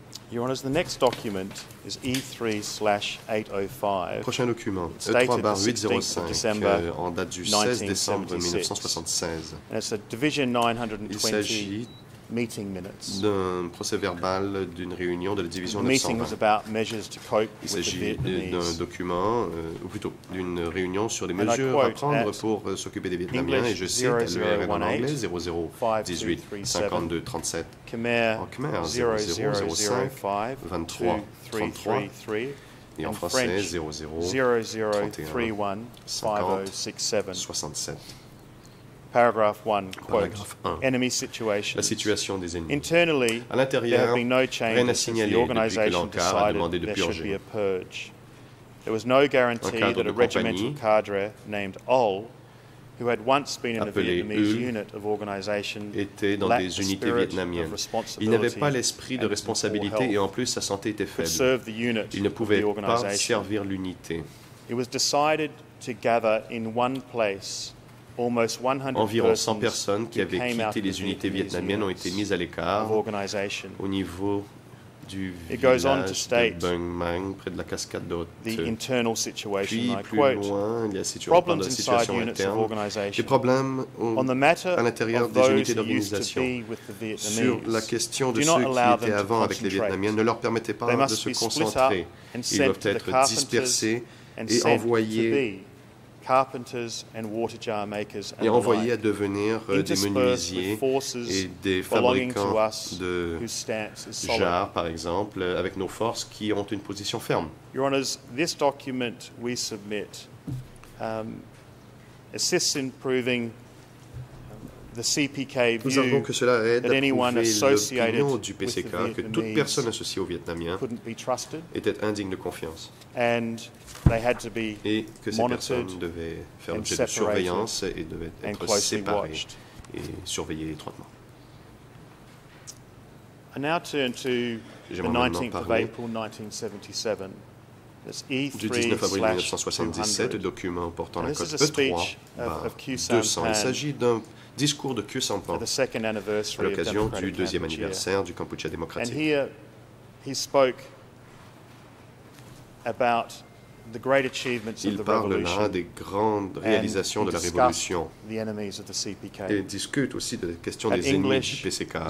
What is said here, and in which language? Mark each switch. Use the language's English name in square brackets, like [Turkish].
[English] Your Honour, the next document is E3/805. [French] Prochain document, E3/805, en date du 16 décembre 1976. [English] And it's a Division 920 meeting minutes. [French] D'un procès-verbal d'une réunion de la Division 920. [English] The meeting was about measures to cope with the Vietnamese. [French] Il s'agit d'un document, ou plutôt d'une réunion sur les mesures à prendre pour s'occuper des Vietnamiens, et je cite à l'URN en anglais, 00-18-52-37, en Khmer, 00-05-23-33, et en français, 00-31-50-67. [English] Paragraph 1, quote, enemy situation. [French] La situation des ennemis. [English] Internally, [French] à l'intérieur, [English] there have been no changes since the organization decided there should be a purge. There was no guarantee that a regimental cadre named Ol, who had once been in a Vietnamese unit of organization, [French] était dans des unités vietnamiennes. Il n'avait pas l'esprit de responsabilité et en plus sa santé était faible. Il ne pouvait pas servir l'unité. [English] It was decided to gather in one place. [French] Environ 100 personnes qui avaient quitté les unités vietnamiennes ont été mises à l'écart au niveau du village de Bung Mang, près de la cascade d'Hote. Puis, plus loin, il y a la situation interne, des problèmes à l'intérieur des unités d'organisation. Sur la question de ceux qui étaient avant avec les Vietnamiens, ne leur permettez pas de se concentrer. Ils doivent être dispersés et envoyés [English] carpenters and water jar makers and [French] et envoyés à devenir des menuisiers et des fabricants de jars, par exemple, avec nos forces qui ont une position ferme. [English] Your Honours, this document we submit assists in proving the CPK view that anyone associated with the Vietnamese couldn't be trusted [French] était indigne de confiance. [English] And they had to be [French] et que ces personnes devaient faire l'objet de surveillance et devaient être séparées et surveillées étroitement. [English] I now turn to the 19th of April 1977. [French] Du 19 avril 1977, document portant la cote E3/200. Il s'agit d'un discours de Khieu Samphan à l'occasion du deuxième anniversaire du Cambodge démocratique. [English] And here he spoke about the great achievements [French] il parle là des grandes réalisations de la Révolution et discute aussi de la question des ennemis du PCK.